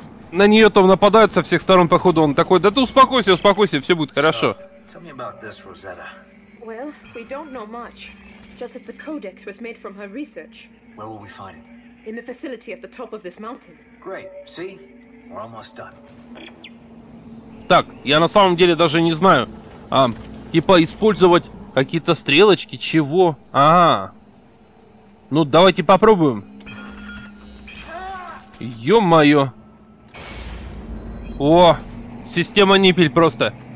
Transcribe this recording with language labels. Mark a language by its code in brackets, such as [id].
[ru] На нее там нападают со всех сторон, походу, он такой: да ты успокойся, успокойся, все будет хорошо. [en] Tell me about this, Rosetta. Well, we don't know much. Just that the codex was made from her research. Where will we find it? In the facility at the top of this mountain. Great. See? We're almost done. [ru] Так, я на самом деле даже не знаю. А, типа использовать какие-то стрелочки, чего? Ага. Ну, давайте попробуем. Ё-моё. О, система Ниппель просто.